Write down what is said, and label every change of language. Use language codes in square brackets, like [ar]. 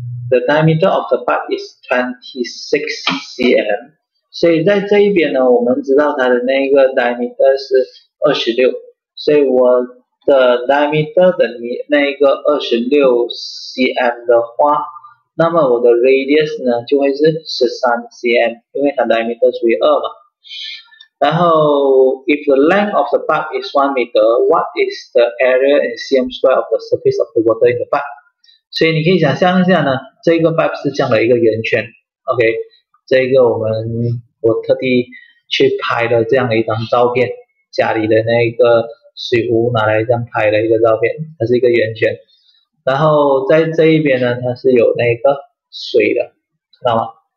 [en] The diameter of the pipe is 26 cm. [zh] 所以在这一边呢，我们知道它的那个 diameter 是26。所以我的 diameter 等于那个26 cm 的话，那么我的 radius 呢就会是13 cm， 因为它 diameter 除以2嘛。 [en] 然后 if the length of the pipe is 1 meter, what is the area in cm square of the surface of the water in the pipe? [zh] 所以你可以想象一下呢，这个 pipe 是这样的一个圆圈， OK， 这个我特地去拍的这样的一张照片，家里的那个水壶拿来这样拍的一个照片，它是一个圆圈。然后在这一边呢，它是有那个水的，看到吗？